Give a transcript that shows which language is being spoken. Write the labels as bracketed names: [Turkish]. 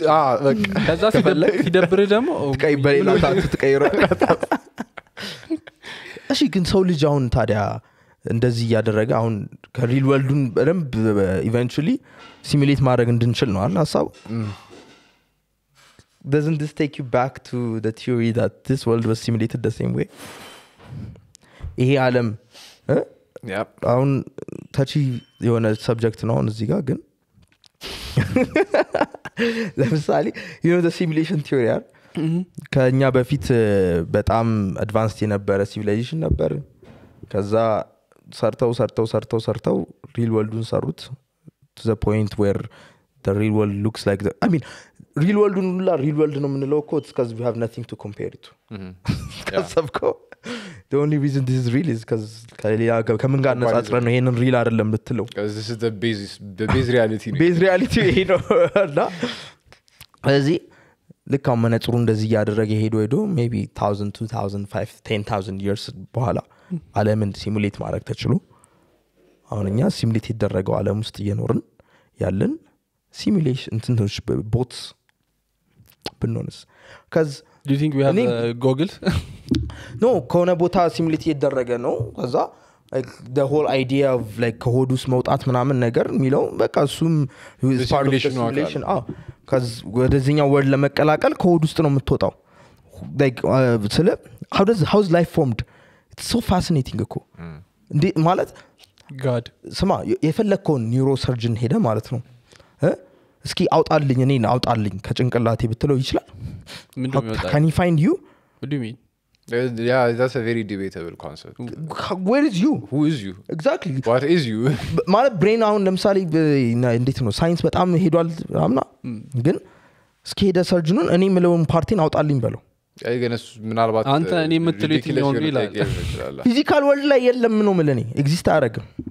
[Amharic] አዎ በቃ ከዛ ሲፈልክ ይደብር ደሞ ቀይ በሌላ ታቱ ትቀይራለህ። እሺ ግን ሰው ልጅ አሁን ታዲያ እንደዚህ ያደረገ አሁን ከሪል ወርልዱን በደንብ ኢቨንቹሊ ሲሙሌት ማድረግ እንድንችል ነው አላ ሳው። [English] Doesn't this take you back to the theory that this world was simulated the same way? [Amharic] ይሄ ዓለም [English] ያፕ [Amharic] አሁን ታቺ የሆነ ሰብጀክት ነው እዚህ ጋር ግን ለምሳሌ [English] you know the simulation theory [Amharic] አይደል? ከኛ በፊት በጣም አድቫንስድ የነበረ ሲቪላይዜሽን ነበር። ከዛ ሰርተው ሰርተው ሰርተው ሰርተው real worldን ሰሩት [English] to the point where the real world [Amharic] looks like the real world ነው ላ real world ነው ምንለው እኮ [English] because we have nothing to compare it to. [Amharic] ከሰብኮ [English] the only reason this is real is because [Amharic] ከሌላ ጋር ከምን ጋር ነጻጽረን ነው ይሄንን real አይደለም ልትለው [English] because this is the basis reality [Amharic] ነው base reality ይሄ ነው እና ስለዚህ ለካ መነጽሩ እንደዚህ ያደረገ ሄዶ ሄዶ maybe 1000 2005 10000 years በኋላ ዓለምን ሲሙሌት ማድረግ ተችሎ አሁንኛ ሲሙሌት ይደረገው ዓለም ውስጥ እየኖርን ያለን simulation እንትኖች bots pinnons cuz [English] do you think we have goggles? [Amharic] no ከሆነ ቦታ ሲሙሌት ይደረገ ነው ከዛ [English] like the whole idea of like [Amharic] ከሆዱስ መውጣት ምናምን ነገር የሚለው በቃ እሱም [English] simulation [Amharic] cuz ወደዚህኛው world ለመቀላቀል ከሆድ ውስጥ ነው የምትወጣው like ስለ [English] how's life formed it's so fascinating [Amharic] እኮ እንዴ ማለት [English] god [Amharic] ስማ የፈለከው neurosurgeon ሄደ ማለት ነው እስኪ አውጣልኝ እኔን አውጣልኝ ከጭንቅላቴ ብትለው ይችላል ምንድን ነው ታዲያ [English] can he find you what do you mean yeah that's a very debatable concept where is you who is you exactly what is you [Amharic] my brain አሁን ለምሳሌ እንዴት ነው ሳይንስ በጣም ሄዷል አምና ግን እስኪ ሄደ ሰርጅኑን እኔ ምለውን ፓርቲን አውጣልኝ በለው አይ ግን እሱ ምናልባት አንተ እኔ የምትለው የትኛውን ነው ይላል ፊዚካል ወርልድ ላይ የለም ነው ምለኔ ኤግዚስት አያደርግም